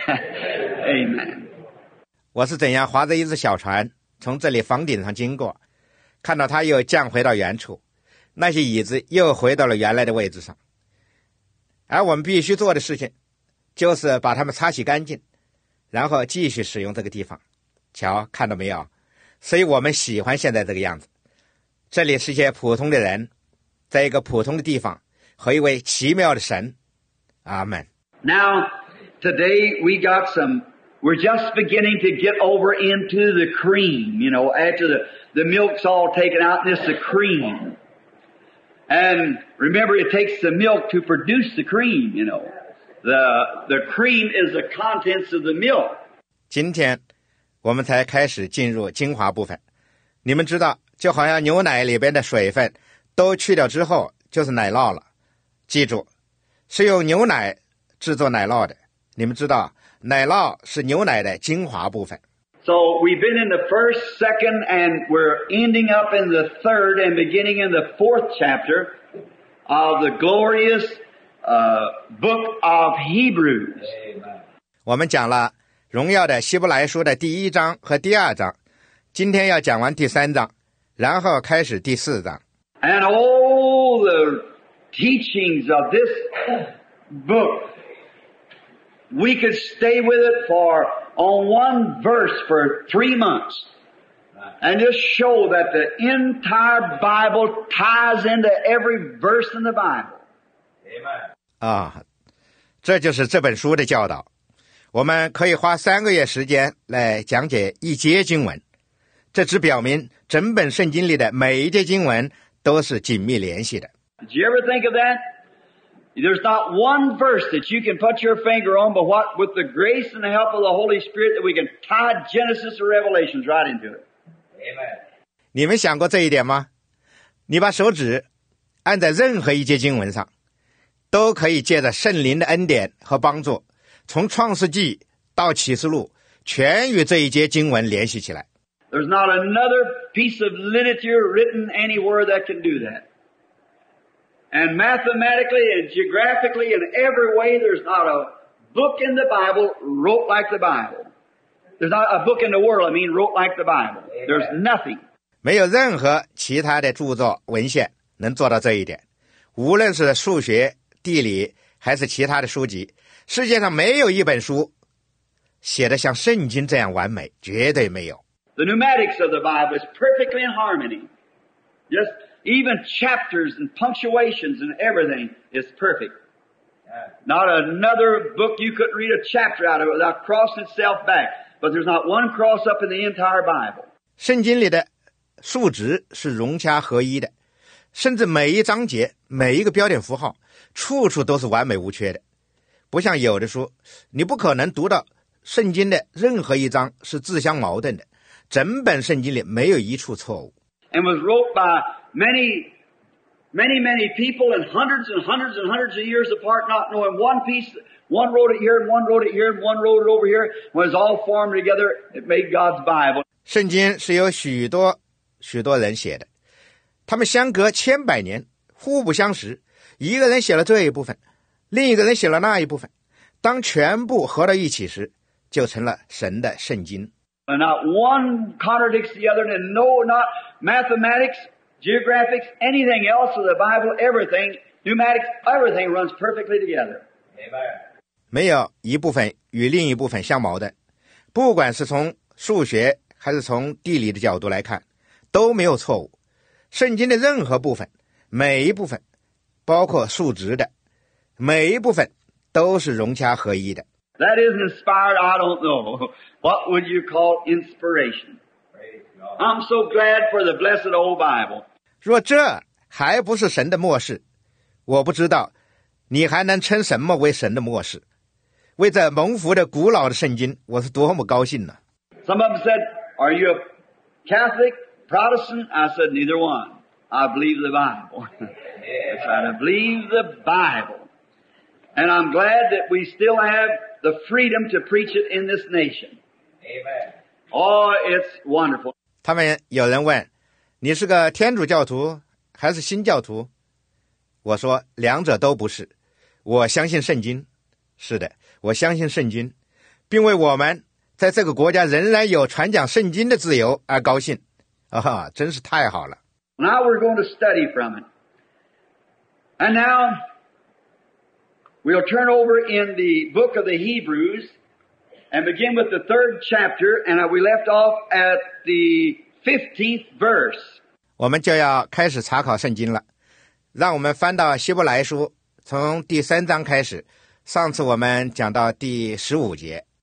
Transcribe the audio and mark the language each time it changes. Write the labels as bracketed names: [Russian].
[English] Amen. [Chinese] 我是怎样划着一只小船从这里房顶上经过，看到它又降回到原处，那些椅子又回到了原来的位置上。而我们必须做的事情就是把它们擦洗干净，然后继续使用这个地方。瞧，看到没有？所以我们喜欢现在这个样子。这里是些普通的人，在一个普通的地方和一位奇妙的神。阿们。 [English] Now, today we got some, we're just beginning to get over into the cream, you know, after the milk's all taken out, this is the cream. And remember, it takes the milk to produce the cream, you know. The cream is the contents of the milk. [Chinese] 今天我们才开始进入精华部分。你们知道，就好像牛奶里边的水分都去掉之后就是奶酪了。记住，是用牛奶制作奶酪的。你们知道，奶酪是牛奶的精华部分。 [English] So we've been in the first, second, and we're ending up in the third and beginning in the fourth chapter of the glorious, book of Hebrews. [Chinese] 我们讲了荣耀的希伯来书的第一章和第二章，今天要讲完第三章，然后开始第四章。 [English] And all the teachings of this book, we could stay with it for on one verse for 3 months and just show that the entire Bible ties into every verse in the Bible. Amen. [Chinese] 啊，这就是这本书的教导。我们可以花3个月时间来讲解一节经文，这只表明整本圣经里的每一节经文都是紧密联系的。 [English] Did you ever think of that? There's not one verse that you can put your finger on, but what, with the grace and the help of the Holy Spirit, that we can tie Genesis or Revelation right into it. Amen. [Chinese] 你们想过这一点吗？你把手指按在任何一节经文上，都可以借着圣灵的恩典和帮助，从创世纪到启示录，全与这一节经文联系起来。 [English] There's not another piece of literature written anywhere that can do that. And mathematically and geographically in every way, there's not a book in the Bible wrote like the Bible. There's not a book in the world, I mean, wrote like the Bible. There's nothing. [Chinese] 没有任何其他的著作文献能做到这一点。无论是数学、地理还是其他的书籍，世界上没有一本书写得像圣经这样完美，绝对没有。 [English] The pneumatics of the Bible is perfectly in harmony. Just even chapters and punctuations and everything is perfect. Not another book you could read a chapter out of it without crossing itself back. But there's not one cross up in the entire Bible. [Chinese] 圣经里的数值是融洽合一的，甚至每一章节、每一个标点符号，处处都是完美无缺的。不像有的书，你不可能读到圣经的任何一章是自相矛盾的。整本圣经里没有一处错误。 [English] And was wrote by many, many, many people and hundreds and hundreds and hundreds of years apart, not knowing one piece, one wrote it here and one wrote it here and one wrote it over here, when it's all formed together, it made God's Bible. [Chinese] 圣经是由许多许多人写的，他们相隔千百年，互不相识，一个人写了这一部分，另一个人写了那一部分，当全部合到一起时，就成了神的圣经。 [English] And not one contradicts the other, and no, not mathematics, geographics, anything else of the Bible, everything, pneumatics, everything runs perfectly together. Amen. [Chinese] 没有一部分与另一部分相矛盾，不管是从数学还是从地理的角度来看，都没有错误。圣经的任何部分，每一部分，包括数值的，每一部分都是融洽合一的。 [English] That is inspired, I don't know. What would you call inspiration? I'm so glad for the blessed old Bible. [Chinese] 若这还不是神的默示，我不知道你还能称什么为神的默示。为这蒙福的古老的圣经，我是多么高兴呢。 [English] Some of them said, are you a Catholic, Protestant? I said, neither one. I believe the Bible. I believe the Bible. And I'm glad that we still have the freedom to preach it in this nation. Amen. Oh, it's wonderful. [Chinese] 他们有人问，你是个天主教徒还是新教徒？我说，两者都不是。我相信圣经。是的，我相信圣经，并为我们在这个国家仍然有传讲圣经的自由而高兴。啊、哦、真是太好了。 [English] Now we're going to study from it. And now... We'll turn over in the book of the Hebrews and begin with the third chapter, and we left off at the 15th verse. [Chinese] 我们就要开始查考圣经了。让我们翻到希伯来书，从第三章开始。上次我们讲到第十五节。